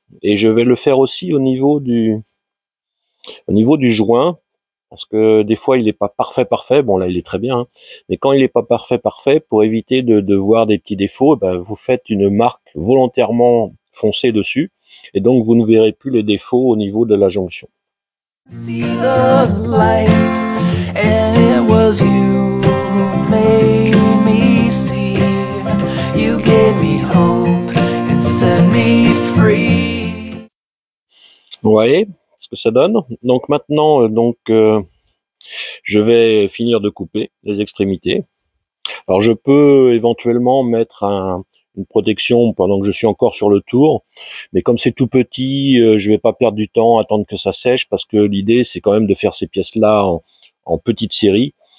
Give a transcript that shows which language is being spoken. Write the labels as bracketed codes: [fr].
[fr] Et je vais le faire aussi au niveau du joint. Parce que des fois, il n'est pas parfait, parfait. Bon, là, il est très bien. Hein. Mais quand il n'est pas parfait, parfait, pour éviter de voir des petits défauts, ben, vous faites une marque volontairement foncée dessus. Et donc, vous ne verrez plus les défauts au niveau de la jonction. [en] See the light, and it was you. Made me see, you gave me hope and set me free. [fr] Vous voyez ce que ça donne. Donc maintenant, je vais finir de couper les extrémités. Alors je peux éventuellement mettre une protection pendant que je suis encore sur le tour, mais comme c'est tout petit, je vais pas perdre du temps à attendre que ça sèche, parce que l'idée c'est quand même de faire ces pièces là en petite série.